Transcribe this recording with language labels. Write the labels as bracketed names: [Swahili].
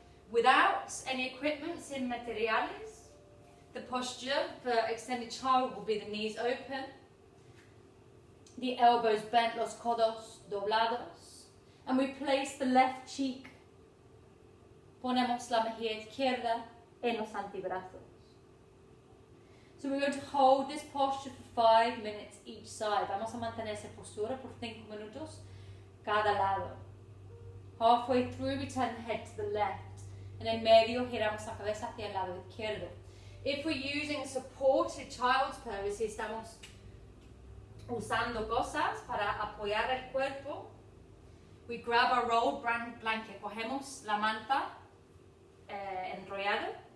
[English] Without any equipment, [Spanish] sin materiales, [English] the posture for extended child will be the knees open, the elbows bent, [Spanish] los codos doblados, [English] and we place the left cheek, [Spanish] ponemos la mejilla izquierda en los antebrazos. [English] So we're going to hold this posture for 5 minutes each side. [Spanish] Vamos a mantener esa postura por 5 minutos cada lado. [English] Halfway through, we turn the head to the left. [Spanish] And en medio, giramos la cabeza hacia el lado izquierdo. [English] If we're using supported child's pose, [Spanish] si estamos usando cosas para apoyar el cuerpo, [English] we grab our rolled blanket, [Spanish] cogemos la manta enrollada.